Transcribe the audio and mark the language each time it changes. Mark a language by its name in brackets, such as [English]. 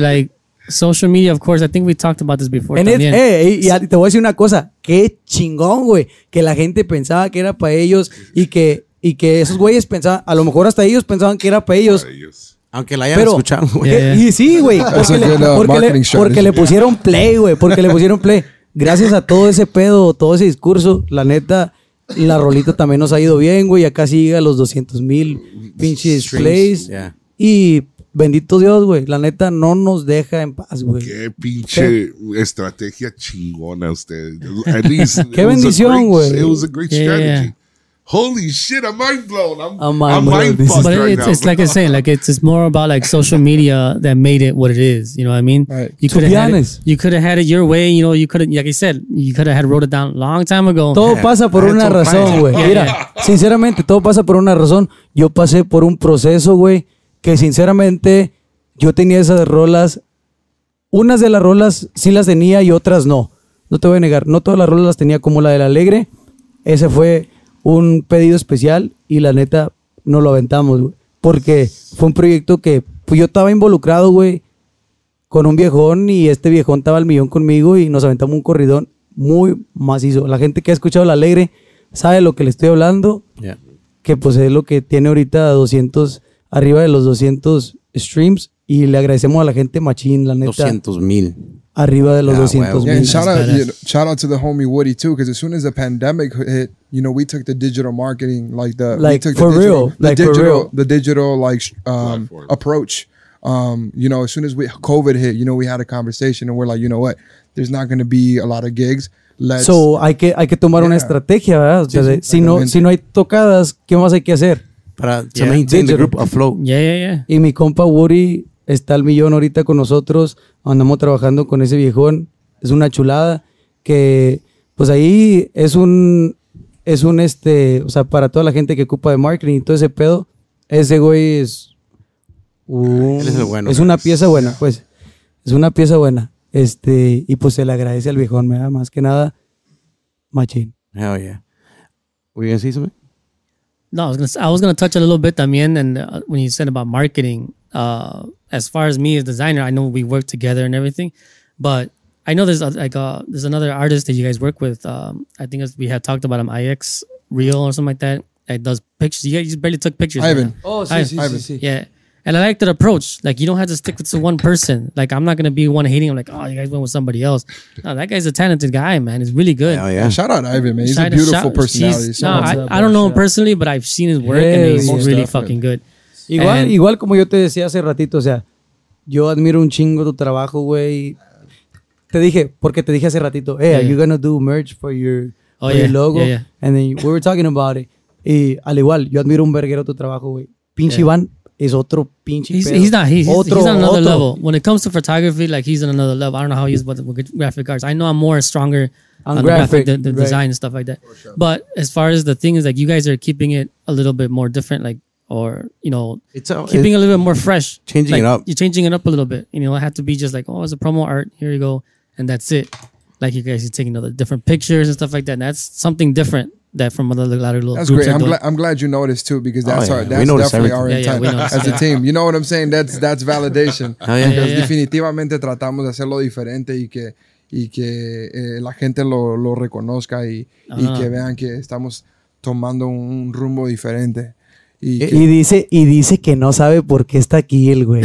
[English] Like, social media, of course. I think we talked about this before. [Spanish] Y te voy a decir una cosa. Qué chingón, güey. Que la gente pensaba que era para ellos y que esos güeyes pensaban, a lo mejor hasta ellos pensaban que era para ellos. Aunque la hayan escuchado, güey. Yeah. Y sí, güey. Porque le pusieron play. Gracias a todo ese pedo, todo ese discurso, la neta, la rolita también nos ha ido bien, güey. Ya casi llega a los 200,000 pinches streams, plays. [English] Yeah. [Spanish] Y bendito Dios, güey. La neta no nos deja en paz, güey. Qué pinche estrategia chingona ustedes. Qué bendición, güey. [English] It was a great strategy. Yeah. Holy shit, I'm mind blown. It's more about like social media that made it what it is. You know what I mean? Right. You could have had it your way. You know, you could have, like I said, you could have had wrote it down a long time ago. [Spanish] Todo pasa por una razón, güey. Mira, sinceramente, todo pasa por una razón. Yo pasé por un proceso, güey, que sinceramente yo tenía esas rolas. Unas de las rolas sí las tenía y otras no. No te voy a negar. No todas las rolas las tenía como la del Alegre. Ese fue un pedido especial y la neta no lo aventamos, güey, porque fue un proyecto que pues yo estaba involucrado, güey, con un viejón y este viejón estaba al millón conmigo y nos aventamos un corridón muy macizo. La gente que ha escuchado La Alegre sabe lo que le estoy hablando, que pues es lo que tiene ahorita arriba de los 200 streams y le agradecemos a la gente machín, la neta. 200,000. Arriba de los 200 mil. [English] Shout out to the homie Woody too, because as soon as the pandemic hit, you know, we took the digital marketing, approach. You know, as soon as COVID hit, you know, we had a conversation and we're like, you know what, there's not going to be a lot of gigs. [Spanish] Hay que tomar una estrategia, ¿verdad? Sí, o sea, sí, si no hay tocadas, ¿qué más hay que hacer? [English] To maintain the group afloat. Yeah. [Spanish] Y mi compa Woody está al millón ahorita con nosotros. Andamos trabajando con ese viejón. Es una chulada. Que, pues ahí es un, o sea, para toda la gente que ocupa de marketing y todo ese pedo, ese güey es. Es una pieza buena. Y pues se le agradece al viejón, ¿verdad? Más que nada, machín. [English] Hell yeah. ¿Were you gonna say something? No, I was gonna touch a little bit también, when you said about marketing. As far as me as a designer, I know we work together and everything, but I know there's another artist that you guys work with. I think we had talked about him, IX Real or something like that. It does pictures. You guys barely took pictures. Ivan. Right, see. Yeah. And I like that approach. Like, you don't have to stick to one person. Like, I'm not going to be one hating. I'm like, oh, you guys went with somebody else. No, that guy's a talented guy, man. He's really good. Oh, yeah. Shout out to Ivan, man. He's a beautiful personality. I don't know him personally, but I've seen his work and he's really fucking good. [Spanish] Igual como yo te decía hace ratito, o sea, yo admiro un chingo tu trabajo, güey. Te dije hace ratito, [English] are you gonna do merch for your logo? Yeah. And then we were talking about it. [Spanish] Y al igual, yo admiro un verguero tu trabajo, güey. Pinche Iván, is otro pinche. [English] He's on another level. When it comes to photography, like, he's on another level. I don't know how he is with graphic arts. I know I'm more stronger on graphic, the right. design and stuff like that. Sure. But as far as the thing is, like, you guys are keeping it a little bit more different, like, or, you know, it's keeping it a little bit more fresh. Changing, like, it up. You're changing it up a little bit. You know, it had to be just like, oh, it's a promo art. Here you go. And that's it. Like, you guys are taking other different pictures and stuff like that. And that's something different that from other little that's groups. That's great. I'm glad you noticed too, because that's definitely our intent as a team. You know what I'm saying? That's validation. Because [Spanish] definitivamente tratamos de hacerlo diferente y que la gente lo reconozca y que vean que estamos tomando un rumbo diferente. Y dice que no sabe por qué está aquí el güey.